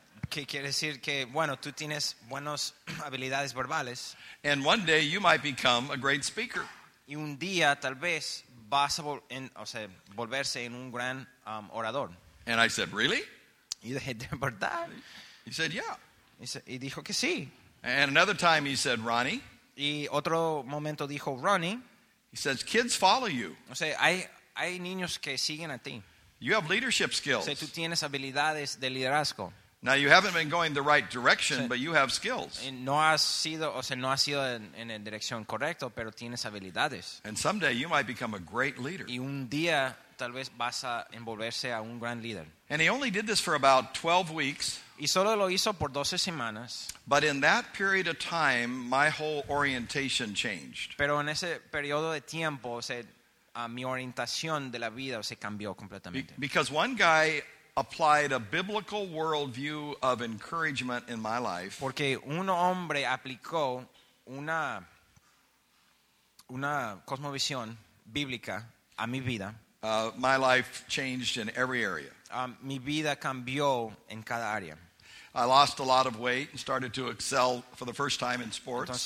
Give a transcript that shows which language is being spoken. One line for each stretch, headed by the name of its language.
Spanish: Que quiere decir que, bueno, tú tienes buenas habilidades verbales.
English: And one day you might become a great speaker.
Spanish: Y un día, tal vez, vas a volverse en un gran orador.
English: And I said, really?
Spanish: Y dije, ¿de verdad?
English: He said, yeah.
Spanish: Y dijo que sí.
English: And another time he said, Ronnie.
Spanish: Y otro momento dijo, Ronnie.
English: He says, kids follow you.
Spanish: O sea, hay niños que siguen a ti.
English: You have leadership skills.
Spanish: O sea, tú tienes habilidades de liderazgo.
English: Now you haven't been going the right direction, but you have skills.
Spanish: No has sido, o sea, no has sido en la dirección correcta, pero tienes habilidades.
English: And someday you might become a great leader.
Spanish: Y un día tal vez vas a envolverse a un gran líder.
English: And he only did this for about 12 weeks.
Spanish: Y solo lo hizo por 12 semanas.
English: But in that period of time, my whole orientation changed.
Spanish: Pero en ese periodo de tiempo, o sea, mi orientación de la vida se cambió completamente.
English: Because one guy applied a biblical worldview of encouragement in my life.
Spanish: Porque un hombre aplicó una cosmovisión bíblica a mi vida.
English: My life changed in every area.
Spanish: Mi vida cambió en cada área.
English: I lost a lot of weight and started to excel for the first time in sports.